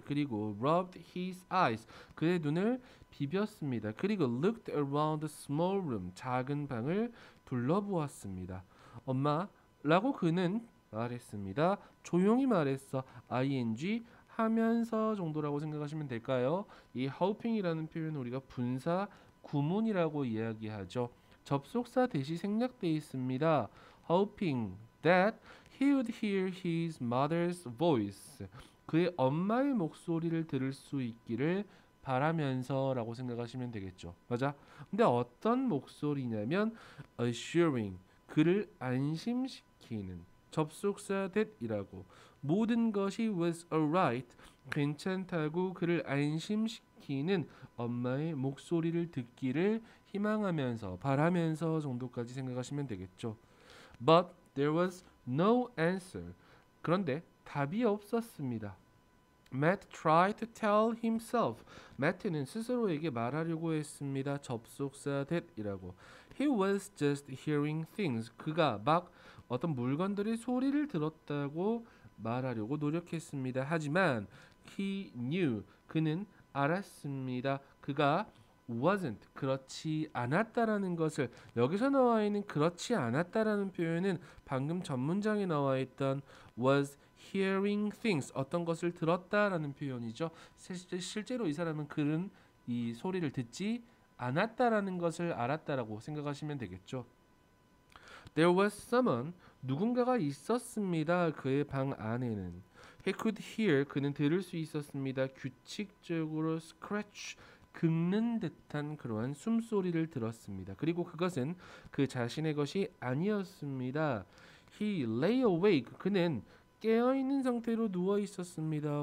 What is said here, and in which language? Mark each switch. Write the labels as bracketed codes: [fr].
[ko] 그리고 [en] rubbed his eyes. [ko] 그의 눈을 비볐습니다. 그리고 [en] looked around the small room. [ko] 작은 방을 둘러보았습니다. 엄마라고 그는 말했습니다. 조용히 말했어. ing 하면서 정도라고 생각하시면 될까요? 이 hoping이라는 표현은 우리가 분사 구문이라고 이야기하죠. 접속사 대시 생략되어 있습니다. [en] hoping that he would hear his mother's voice. [ko] 그의 엄마의 목소리를 들을 수 있기를 바라면서라고 생각하시면 되겠죠. 맞아? 근데 어떤 목소리냐면 assuring, 그를 안심시키는 접속사 that이라고 모든 것이 [en] was alright, [ko] 괜찮다고 그를 안심시키는 엄마의 목소리를 듣기를 희망하면서 바라면서 정도까지 생각하시면 되겠죠. [en] But there was no answer. [ko] 그런데 답이 없었습니다. [en] Matt tried to tell himself. [ko] Matt는 스스로에게 말하려고 했습니다. 접속사 that이라고. [en] He was just hearing things. [ko] 그가 막 어떤 물건들의 소리를 들었다고 말하려고 노력했습니다. 하지만 [en] he knew. [ko] 그는 알았습니다. 그가 wasn't, 그렇지 않았다라는 것을, 여기서 나와 있는 그렇지 않았다라는 표현은 방금 전문장에 나와 있던 [en] was hearing things, [ko] 어떤 것을 들었다라는 표현이죠. 실제로 이 사람은 그런 이 소리를 듣지 않았다라는 것을 알았다라고 생각하시면 되겠죠. [en] There was someone, [ko] 누군가가 있었습니다. 그의 방 안에는. [en] He could hear, [ko] 그는 들을 수 있었습니다. 규칙적으로 scratch, 긁는 듯한 그러한 숨소리를 들었습니다. 그리고 그것은 그 자신의 것이 아니었습니다. [en] He lay awake. [ko] 그는 깨어있는 상태로 누워 있었습니다.